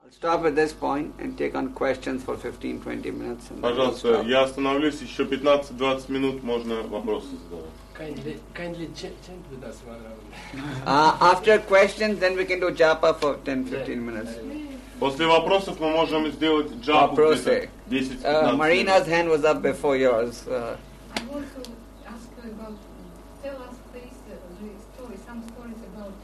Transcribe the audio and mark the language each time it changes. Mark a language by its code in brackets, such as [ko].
[en] Stop at this point and take on questions for 15-20 minutes. [ru] Пожалуйста, я остановлюсь. Еще 15-20 минут можно вопросы задавать. [en] Kindly chant with us one round. After questions, then we can do japa for 10-15 minutes. [ru] После вопросов мы можем сделать джапу. Вопросы. 10-15 минут. [en] Marina's hand was up before yours. I want to ask about, tell us please, some stories about